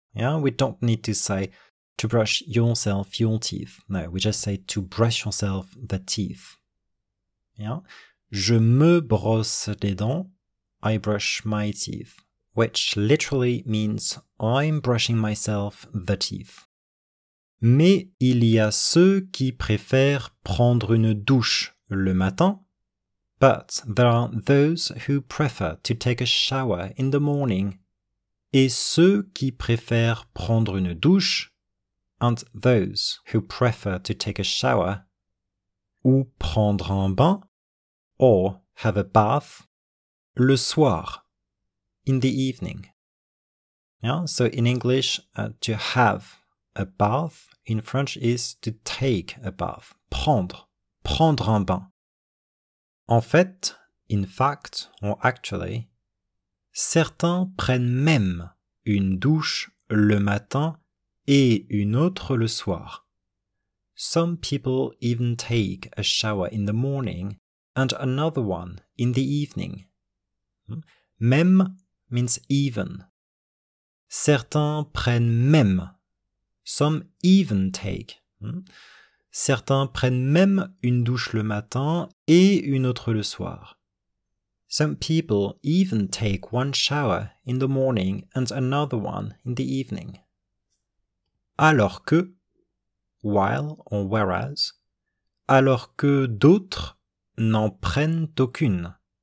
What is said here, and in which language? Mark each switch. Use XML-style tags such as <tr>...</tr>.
<en>Yeah, we don't need to say to brush yourself your teeth. No, we just say to brush yourself the teeth. Yeah,</en> <fr>je me brosse les dents.</fr> <en>I brush my teeth, which literally means I'm brushing myself the teeth.</en> <fr>Mais il y a ceux qui préfèrent prendre une douche le matin.</fr> <en>But there are those who prefer to take a shower in the morning.</en> <fr>Et ceux qui préfèrent prendre une douche,</fr> <en>and those who prefer to take a shower,</en> <fr>ou prendre un bain,</fr> <en>or have a bath,</en> <fr>le soir,</fr> <en>in the evening. Yeah, so in English, to have a bath, in French is to take a bath,</en> <fr>prendre un bain. En fait,</fr> <en>in fact, or actually,</en> <fr>certains prennent même une douche le matin et une autre le soir.</fr> <en>Some people even take a shower in the morning and another one in the evening.</en> <fr>Même</fr> <en>means even.</en> <fr>Certains prennent même.</fr> <en>Some even take.</en> <fr>Certains prennent même une douche le matin et une autre le soir.</fr> <en>Some people even take one shower in the morning and another one in the evening.</en> <fr>Alors que,</fr> <en>while or whereas,</en> <fr>alors que d'autres n'en prennent aucune.</fr>